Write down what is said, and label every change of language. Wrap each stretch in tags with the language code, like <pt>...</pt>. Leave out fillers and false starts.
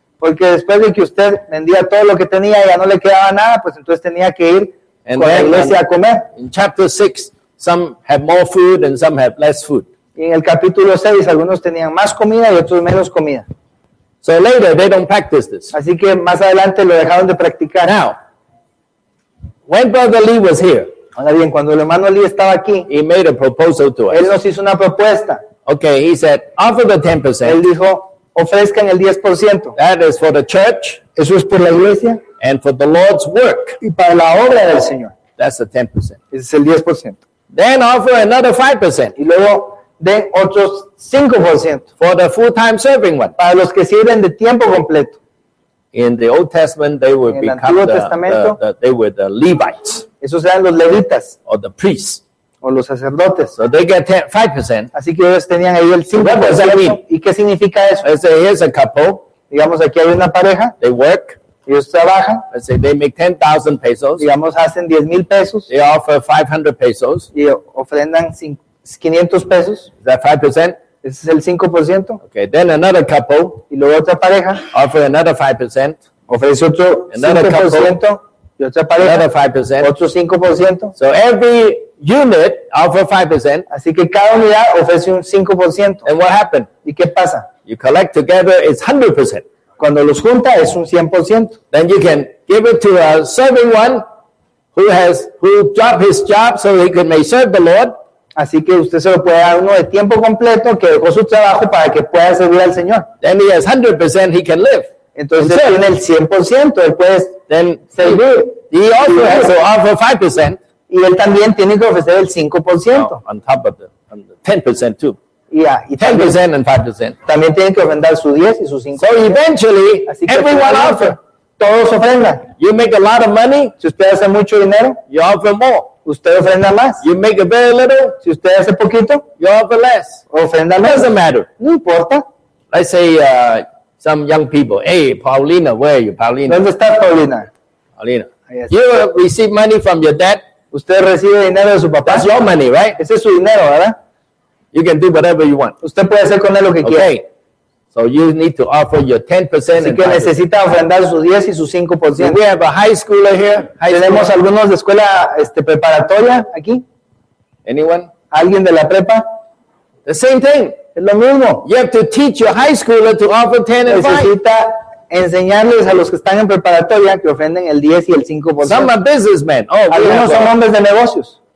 <es>Porque después de que usted vendía todo lo que tenía y ya no le quedaba nada, pues entonces tenía que ir</es> <en>and</en> <es>con la iglesia a comer.</es> <en>In chapter 6, some have more food and some have less food.</en> <es>Y en el capítulo 6, algunos tenían más comida y otros menos comida.</es> <en>So later, they don't practice this.</en> <es>Así que más adelante lo dejaron de practicar.</es> <en>Now, when Brother Lee was here,</en> <es>ahora bien, cuando el hermano Lee estaba aquí,</es> <en>he made a proposal to us.</en> <es>Él nos hizo una propuesta.</es> <en>Okay, he said, offer the 10%.</en> <es>Él dijo, ofrezcan el 10%.</es> <en>That is for the church.</en> <es>Eso es por la iglesia.</es> <en>And for the Lord's work.</en> <es>Y para la obra del Señor.</es> <en>That's the 10%.</en> <es>Ese es el 10%.</es> <en>Then offer another 5%.</en> <es>Y luego den otros 5%.</es> <en>For the full-time serving one.</en> <es>Para los que sirven de tiempo completo.</es> <en>In the Old Testament, they would become the Levites.</en> <es>Esos eran los levitas.</es> <en>Or the priests.</en> <es>O los sacerdotes.</es> <en>So they get 5%.</en> <es>Así que ellos tenían ahí el 5%. ¿Y qué significa eso?</es> <en>Let's say here's a couple.</en> <es>Digamos, aquí hay una pareja.</es> <en>They work.</en> <es>Ellos trabajan.</es> <en>Let's say they make 10,000 pesos.</en> <es>Digamos, hacen 10,000 pesos.</es> <en>They offer 500 pesos.</en> <es>Y ofrendan 500 pesos.</es> <en>Is that 5%?</en> <es>Ese es el 5%.</es> <en>Okay, then another couple.</en> <es>Y luego otra pareja.</es> <en>Offer another 5%.</en> <es>Ofrece otro 5%. Y otra pareja.</es> <en>Another 5%.</en> <es>Otro 5%.</es> <en>So every unit offer 5%.</en> <es>Así que cada unidad ofrece un 5%.</es> <en>And what happened?</en> <es>¿Y qué pasa?</es> <en>You collect together, it's 100%.</en> <es>Cuando los junta, es un 100%.</es> <en>Then you can give it to a serving one who dropped his job so he could may serve the Lord.</en> <es>Así que usted se lo puede dar uno de tiempo completo que dejó su trabajo para que pueda servir al Señor.</es> <en>Then he has 100% he can live.</en> <es>Entonces él tiene el 100%, él puede servir.</es> <en>He also has to offer 5%.</en> <es>Y él también tiene que ofrecer el 5%.</es> <en>No, on top of the 10% too. Yeah,</en> <es>y 10%</es> <en>and 5%.</en> <es>También tiene que ofrendar su 10 y su 5%.</es> <en>So eventually, everyone offer.</en> <es>Todos ofrendan.</es> <en>You make a lot of money.</en> <es>Si usted hace mucho dinero,</es> <en>you offer more.</en> <es>Usted ofrenda más.</es> <en>You make a very little.</en> <es>Si usted hace poquito,</es> <en>you offer less.</en> <es>Ofrenda más.</es> <en>Doesn't matter.</en> <es>No importa.</es> <en>I say some young people. Hey, Paulina, where are you, Paulina?</en> <es>¿Dónde está Paulina?</es> <en>Paulina. You receive money from your dad.</en> <es>Usted recibe dinero de su papá.</es> <en>That's your money, right?</en> <es>Ese es su dinero, ¿verdad?</es> <en>You can do whatever you want.</en> <es>Usted puede hacer con él lo que</es> <en>okay.</en> <es>quiera.</es> <en>Okay. So you need to offer your 10%.</en> <es>Así que necesita ofrendar su 10 y su 5%.</es> <en>We have a high schooler here.</en> <es>Tenemos algunos de escuela preparatoria aquí.</es> <en>Anyone?</en> <es>¿Alguien de la prepa?</es> <en>The same thing.</en> <es>Es lo mismo.</es> <en>You have to teach your high schooler to offer 10 and 5.</en> <es>Necesita enseñarles a los que están en preparatoria que ofrenden el 10 y el 5%.</es> <en>Some are businessmen. Oh,</en> <es>algunos son hombres de negocios.</es>